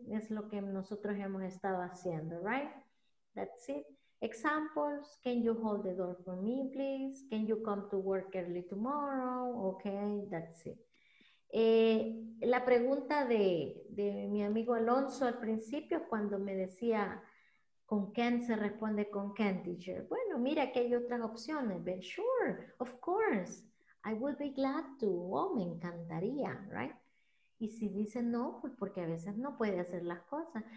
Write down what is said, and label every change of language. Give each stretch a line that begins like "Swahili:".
Spanish: Es lo que nosotros hemos estado haciendo, right?
English: That's it. Examples, can you hold the door for me, please? Can you come to work early tomorrow? Okay, that's it.
Spanish: La pregunta de mi amigo Alonso al principio, cuando me decía, ¿con Ken se responde con Ken, teacher? Bueno, mira que hay otras opciones.
English: But sure, of course, I would be glad to.
Spanish: Oh, me encantaría, right? Y si dice no, pues porque a veces no puede hacer las cosas.